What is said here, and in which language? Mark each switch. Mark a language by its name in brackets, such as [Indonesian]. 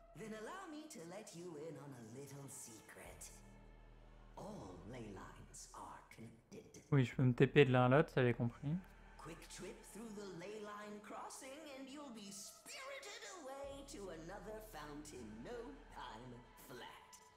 [English] Then allow me to let you in on a little secret. All ley lines are connected. [French] Oui, je peux me TP de l'un à l'autre, ça j'ai compris. [English] Quick trip through the ley line crossing and you'll be spirited away to another fountain, no time flat.